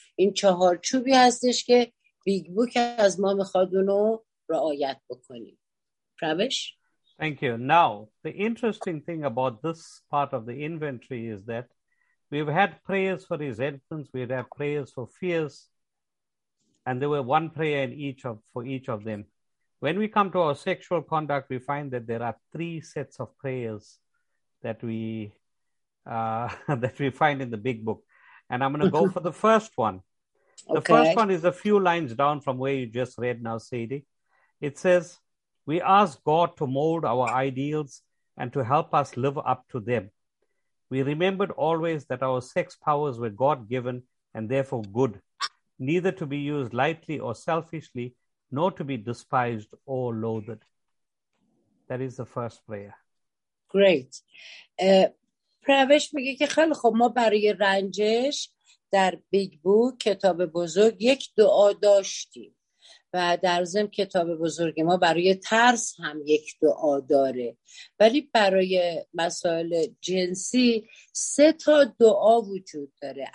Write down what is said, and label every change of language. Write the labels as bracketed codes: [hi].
[fa] این چهار چوبی هستش که بیگ بوک از ما میخواد اونو رعایت بکنیم. پرویش؟ [en] Thank you. Now, the interesting thing about this part of the inventory is that we've had prayers for resentments, we've had prayers for fears, and there were one prayer in each of for each of them. When we come to our sexual conduct, we find that there are three sets of prayers that we that we find in the big book. And I'm going to go for the first one. The first one is a few lines down from where you just read now, Sadie. It says, we ask God to mold our ideals and to help us live up to them. We remembered always that our sex powers were God-given and therefore good, neither to be used lightly or selfishly, nor to be despised or loathed. That is the first prayer. Great. [fa] پرویش میگه که خیلی خب ما برای رنجش در بیگ بو کتاب بزرگ یک دعا داشتیم و در زم کتاب بزرگ ما برای ترس هم یک دعا داره، ولی برای مسائل جنسی سه تا دعا وجود داره.